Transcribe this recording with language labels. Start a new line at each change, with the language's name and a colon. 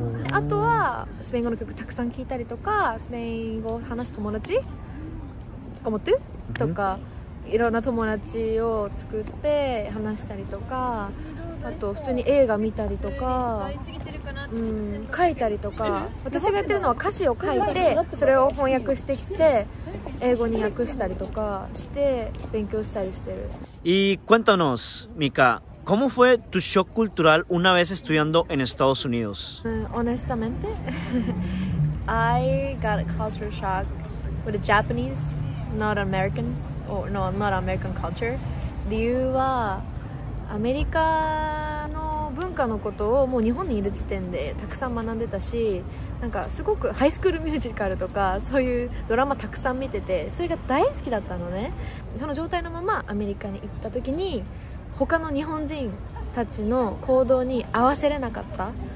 Japanese: あとはスペイン語の曲たくさん聴いたりとか、スペイン語話す友達コモトゥとか、いろんな友達を作って話したりとか、あと普通に映画見たりとか、書いたりとか。私がやってるのは歌詞を書いてそれを翻訳してきて英語に訳したりとかして勉強したりしてる。
Spanish: Y cuéntanos, Mika, ¿cómo fue tu shock cultural una vez estudiando en Estados Unidos? Honestamente,
English: I got a culture shock with the Japanese, not Americans, or no, not American culture.
Japanese: 理由はアメリカの文化のことをもう日本にいる時点でたくさん学んでたし、なんかすごくハイスクールミュージカルとかそういうドラマたくさん見てて、それが大好きだったのね。その状態のままアメリカに行った時に、他の日本人たちの行動に合わせれなかった。